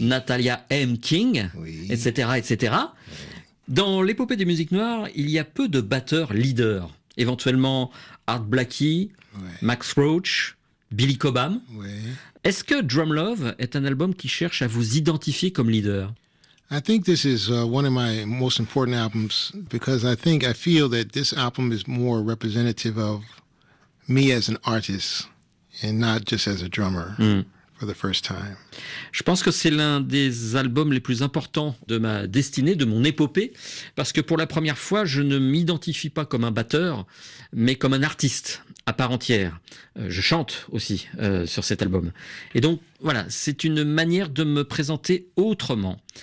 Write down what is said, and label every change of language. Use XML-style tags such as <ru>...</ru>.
<fr>Natalia M. King, oui. etc., etc. Ouais. Dans l'épopée des musiques noires, il y a peu de batteurs leaders. Éventuellement Art Blakey, ouais. Max Roach, Billy Cobham. Ouais. Est-ce que Drum Love est un album qui cherche à vous identifier comme leader?</fr> <en>I think this is one of my most important albums because I feel that this album is more representative of me as an artist and not just as a drummer. Mm. For the first time.</en> <fr>Je pense que c'est l'un des albums les plus importants de ma destinée, de mon épopée, parce que pour la première fois, je ne m'identifie pas comme un batteur, mais comme un artiste à part entière. Je chante aussi sur cet album. Et donc, voilà, c'est une manière de me présenter autrement.</fr>